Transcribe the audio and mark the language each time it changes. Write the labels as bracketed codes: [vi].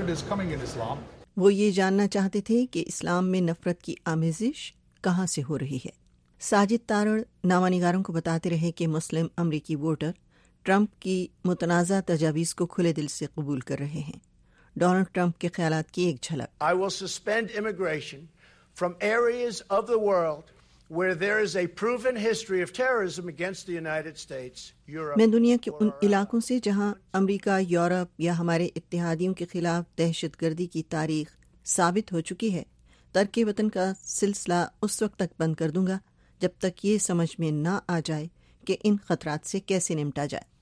[ur] وہ یہ جاننا چاہتے تھے کہ اسلام میں نفرت کی آمیزش کہاں سے ہو رہی ہے. ساجد تارڑ نامہ نگاروں کو بتاتے رہے کہ مسلم امریکی ووٹر ٹرمپ کی متنازع تجاویز کو کھلے دل سے قبول کر رہے ہیں. ڈونلڈ ٹرمپ کے خیالات کی ایک جھلک. [en] I will suspend immigration from areas of the world where there is a proven history of terrorism against the United States, Europe. [ur] میں دنیا کے ان علاقوں سے جہاں امریکہ، یورپ یا ہمارے اتحادیوں کے خلاف دہشت گردی کی تاریخ ثابت ہو چکی ہے، ترک وطن کا سلسلہ اس وقت تک بند کر دوں گا جب تک یہ سمجھ میں نہ آ جائے کہ ان خطرات سے کیسے نمٹا جائے.